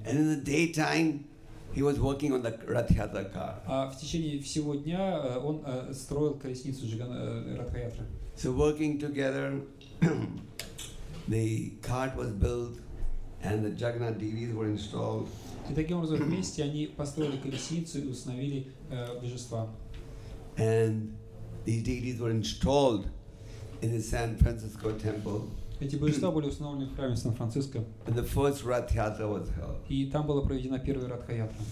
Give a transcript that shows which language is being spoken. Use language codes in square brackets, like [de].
[en] And in the daytime, he was working on the Ратха-ятра car. [ru] А в течение всего дня он строил колесницу Ратха-ятра. [en] So working together, the cart was built, and the Jagannath deities were installed. [ru] И таким образом вместе они построили колесницу и установили божества. [en] And these deities were installed in the San Francisco temple. [ru] Эти божества были установлены в храме Сан-Франциско. [en] And the first Ратха-ятра was held. [ru] И там была проведена первая Ратха-ятра.